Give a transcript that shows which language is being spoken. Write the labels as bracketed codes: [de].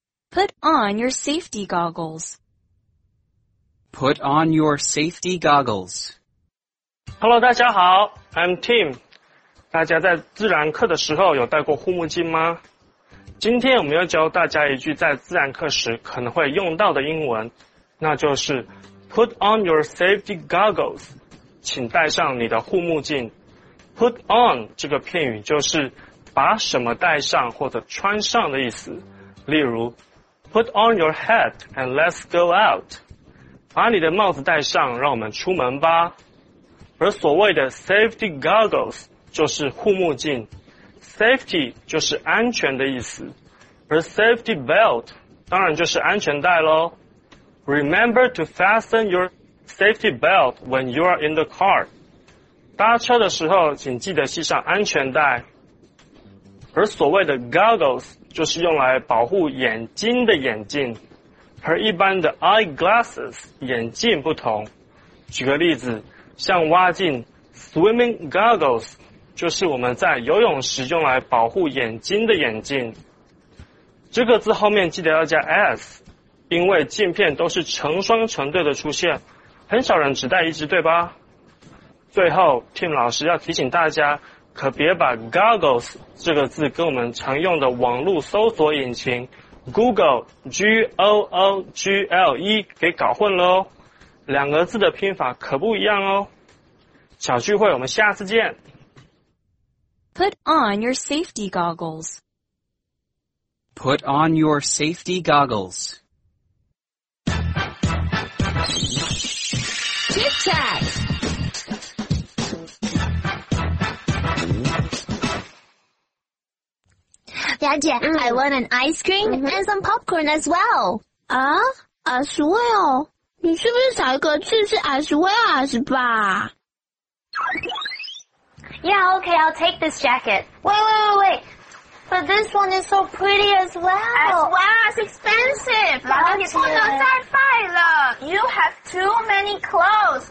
[en] Put on your safety goggles. Put on your safety goggles. Hello, [zh] 大家好 [en] I'm Tim. [zh] 大家在自然课的时候有戴过护目镜吗？今天我们要教大家一句在自然课时可能会用到的英文，那就是 [en] Put on your safety goggles. [zh] 请戴上你的护目镜。Put on 这个片语就是把什么戴上或者穿上的意思。例如 [en] Put on your hat and let's go out. [zh] 把你的帽子戴上，让我们出门吧。而所谓的 safety goggles 就是护目镜， safety 就是安全的意思，而 safety belt 当然就是安全带咯。 [en] Remember to fasten your safety belt when you are in the car， [zh] 搭车的时候请记得系上安全带。而所谓的 goggles 就是用来保护眼睛的眼镜，和一般的 eyeglasses 眼镜不同。举个例子，像蛙镜 swimming goggles 就是我们在游泳时用来保护眼睛的眼镜。这个字后面记得要加 s， 因为镜片都是成双成对的出现，很少人只戴一只，对吧？最后 Tim 老师要提醒大家，可别把 goggles 这个字跟我们常用的网络搜索引擎Google G-O-O-G-L-E 给搞混了哦，两个字的拼法可不一样哦。小聚会我们下次见。 [en] Put on your safety goggles. Put on your safety goggles. Tic Tac. Daddy, I want an ice cream and some popcorn as well. Ah, as well. [zh] 你是不是少一个字是 as well as 吧？ [en] Yeah, okay, I'll take this jacket. Wait. But this one is so pretty as well. As well as expensive. [zh] 然后你不能再废了。 [en] You have too many clothes.